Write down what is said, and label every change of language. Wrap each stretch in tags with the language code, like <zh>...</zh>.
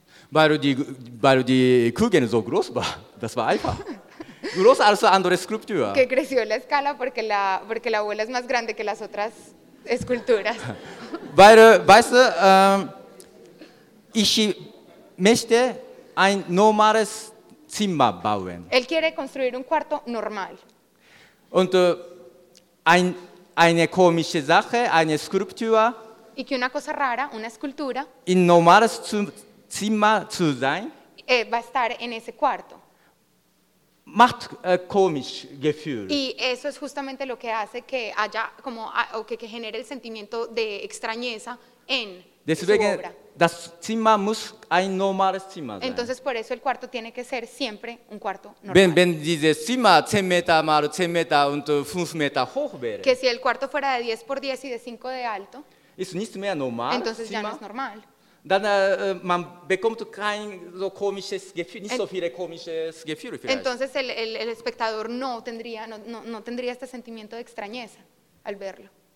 <de>Weil die Kugel so groß war, das war einfach. Groß als andere Skulptur.</de> <es>Que creció la escala porque la bola es más grande que las otras esculturas.</es> <de>Weil, weißt du, ich möchte ein normales Zimmer bauen.</de> <es>Él quiere construir un cuarto normal.</es> <de>Und eine komische Sache, eine Skulptur.</de> <es>Y que una cosa rara, una escultura.</es> <de>In normales Zimmer zu sein.</de> <es>Va a estar en ese cuarto.</es> <de>Macht komisch Gefühl.</de> <es>Y eso es justamente lo que hace que haya como o que genere el sentimiento de extrañeza en</es> <de>deswegen,</de> <es>su obra.</es> <de>Das Zimmer muss ein normales Zimmer sein.</de> <es>Entonces por eso el cuarto tiene que ser siempre un cuarto normal.</es> <de>Wenn dieses Zimmer 10 Meter mal 10 Meter und 5 Meter hoch wäre.</de> <es>Que si el cuarto fuera de 10 por 10 y de 5 de alto.</es> <de>Ist nicht mehr normal.</de> <es>Entonces Zimmer. Ya no es normal.</es> <de>Dann man bekommt kein so komisches Gefühl, nicht so viele komisches Gefühl vielleicht.</de> <es>Entonces el espectador no tendría este sentimiento de extrañeza al verlo.</es>